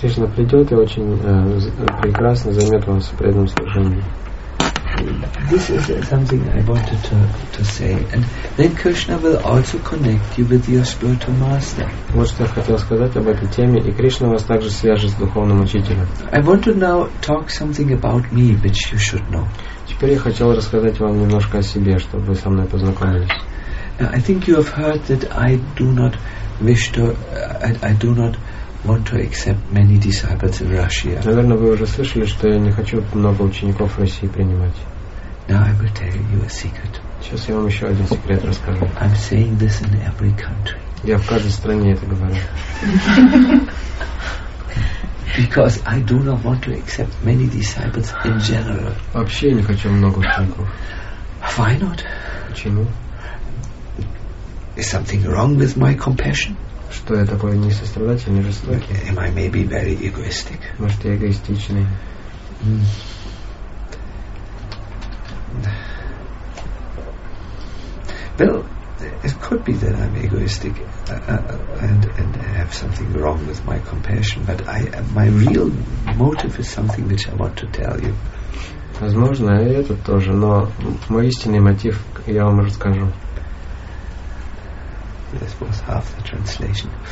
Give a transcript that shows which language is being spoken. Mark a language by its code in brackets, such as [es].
[ru] Кришна придет и очень прекрасно займет вас в преданном служении. [en] This is something I wanted to say, and then Krishna will also connect you with your spiritual master. [ru] Вот что я хотел сказать об этой теме, и Кришна вас также свяжет с духовным учителем. [en] I want to now talk something about me, which you should know. [ru] Теперь я хотел рассказать вам немножко о себе, чтобы вы со мной познакомились. [en] I think you have heard that I do not wish to, I do not want to accept many disciples in Russia. [ru] Наверное, вы уже слышали, что я не хочу много учеников в России принимать. [en] Now I will tell you a secret. [ru] Сейчас я вам еще один секрет расскажу. [en] I'm saying this in every country. [ru] Я в каждой стране это говорю. [en] Because I do not want to accept many disciples in general. [ru] Вообще не хочу много учеников. [en] Why not? [ru] Почему? [en] Is something wrong with my compassion? [ru] Что я такой не сострадательный, не жестокий? [en] Am I maybe very egoistic? [ru] Может, я эгоистичный? [en] Well, it could be that I'm egoistic and have something wrong with my compassion, but I my real motive is something which I want to tell you. [ru] Возможно, и это тоже, но мой истинный мотив я вам расскажу. [en] This was half the translation.